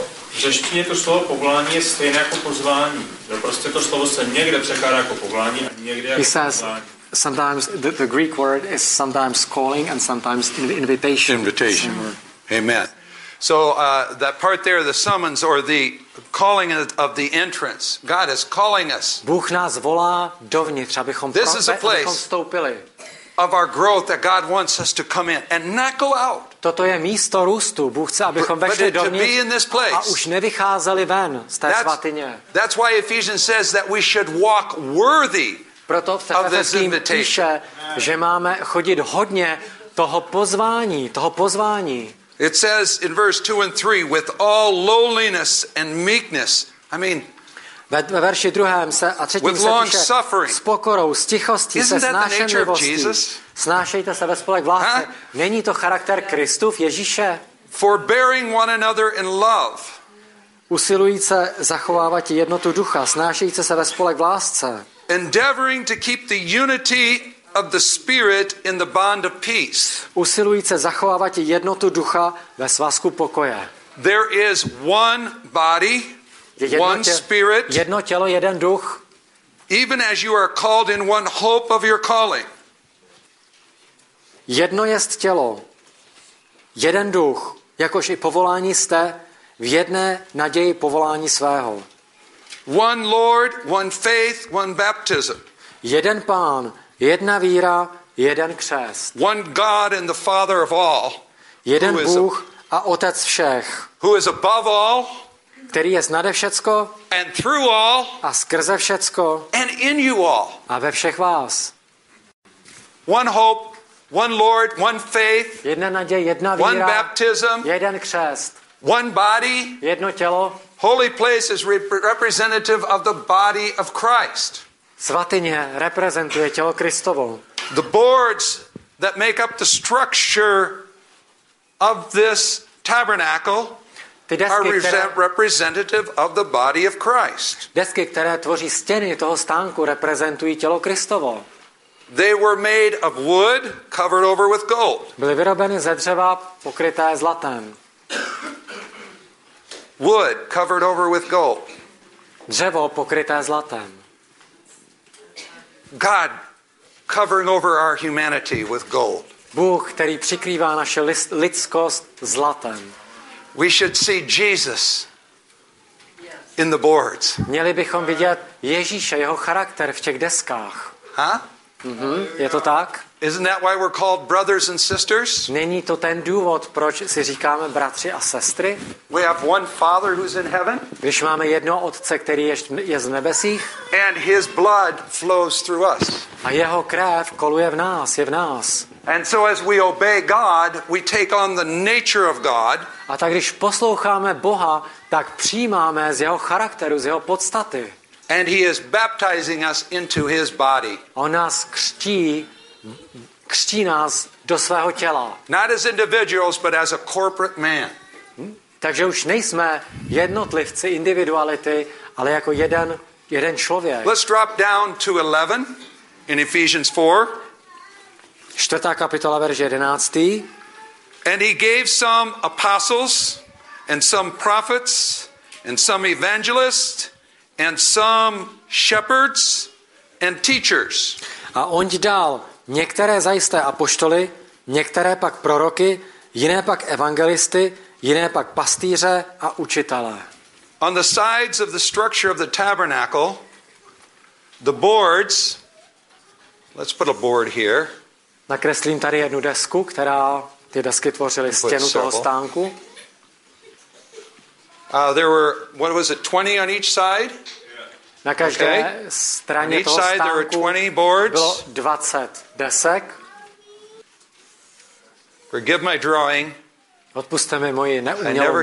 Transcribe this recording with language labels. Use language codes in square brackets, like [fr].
[cs] V řeštině to slovo povolání je stejné jako pozvání. Jo, prostě to slovo se někde překládá jako povolání a někde jako pozvání. [en] Sometimes the Greek word is sometimes calling and sometimes invitation. Invitation. Amen. So that part there, the summons or the calling of the entrance. God is calling us. [cs] Bůh nás volá dovnitř, abychom vstoupili. [en] Of our growth that God wants us to come in and not go out. [cs] Toto je místo růstu. Bůh chce, abychom vešli dovnitř a už nevycházeli ven z té svatyně. [en] That's why Ephesians says that we should walk worthy. [cs] Proto se Efeským píše, že máme chodit hodně toho pozvání. [en] It says in verse 2 and 3 with all lowliness and meekness. I mean [cs] ve verši druhém se a třetím se píše [en] suffering. [cs] S pokorou, s tichostí, [en] isn't [cs] se snášenlivostí. Snášejte se ve spolek v lásce. Huh? Není to charakter Kristův Ježíše? [en] Forbearing one another in love. [cs] Usilujíce zachovávat jednotu ducha, snášejíce se ve spolek v lásce. [en] Endeavoring to keep the unity of the spirit in the bond of peace. [cs] Usilujíce zachovávat jednotu ducha ve svazku pokoje. [en] There is one body, one spirit. [cs] Jedno tělo, jeden duch. [en] Even as you are called in one hope of your calling. [cs] Jedno jest tělo, jeden duch, jakož i povolání jste v jedné naději povolání svého. [en] One Lord, one faith, one baptism. [cs] Jeden pán, jedna víra, jeden křest. [en] One God and the Father of all. [cs] Jeden Bůh a Otec všech. [en] Who is above all? [cs] Který je nade všecko? [en] And through all? [cs] A skrze všecko? [en] And in you all? [cs] A ve všech vás. [en] One hope, one Lord, one faith. [cs] Jedna naděje, jedna víra. [en] One baptism. [cs] Jeden křest. [en] One body. [cs] Jedno tělo. [en] Holy place is representative of the body of Christ. [cs] Svatyně reprezentuje tělo Kristovo. [en] The boards that make up the structure of this tabernacle, [cs] ty desky, [en] are representative of the body of Christ. [cs] Desky, které tvoří stěny toho stánku, reprezentují tělo Kristovo. [en] They were made of wood, covered over with gold. [cs] Byly vyrobeny ze dřeva, pokryté zlatem. [en] Wood covered over with gold. [cs] Dřevo pokryté zlatem. [en] God covering over our humanity with gold. [cs] Bůh, který přikrývá naše lidskost zlatem. [en] We should see Jesus in the boards. [cs] Měli bychom vidět Ježíše, jeho charakter v těch deskách. Huh? Mhm, je to tak? [en] Isn't that why we're called brothers and sisters? [cs] Není to ten důvod, proč si říkáme bratři a sestry? [en] We have one Father who's in heaven. [cs] Když máme jednoho Otce, který je z nebesích. [en] And his blood flows through us. [cs] A jeho krev koluje v nás, je v nás. [en] And so as we obey God, we take on the nature of God. [cs] A tak když posloucháme Boha, tak přijímáme z jeho charakteru, z jeho podstaty. [en] And he is baptizing us into his body. [cs] On nás křtí. Křtí nás do svého těla. [en] Not as individuals, but as a corporate man. [cs] Takže už nejsme jednotlivci, individuality, ale jako jeden člověk. [en] Let's drop down to 11 in Ephesians 4. [cs] 4. kapitola, verš 11. [en] And he gave some apostles and some prophets and some evangelists and some shepherds and teachers. [cs] A on ti dal některé zajisté apoštoly, některé pak proroky, jiné pak evangelisty, jiné pak pastýře a učitelé. [en] On the sides of the structure of the tabernacle, the boards, let's put a board here. [cs] Nakreslím tady jednu desku, která ty desky tvořily stěnu toho stánku. [en] There were, what was it, 20 on each side? [cs] Na každé straně toho stánku bylo 20 desek. [en] Forgive my drawing. [cs] Odpusťte mi moji neumělou. [en] I never